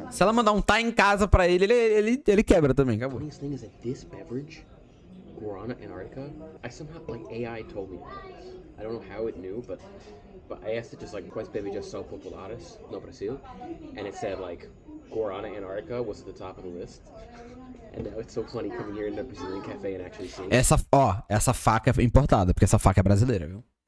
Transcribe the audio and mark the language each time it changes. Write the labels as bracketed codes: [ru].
[en] Right. [pt] Se ela mandar um tá em casa pra ele, ele quebra também, acabou. [en] The funniest thing is that this beverage, Guarana Antarctica, I somehow, like, AI told me this. I don't know how it knew, but I asked it just like, [pt] quais bebidas são populares no Brasil? [en] And it said, like, Guarana Antarctica was at the top of the list. And now it's so funny coming here in a Brazilian cafe and actually seeing. [pt] Essa faca é importada, porque essa faca é brasileira, viu?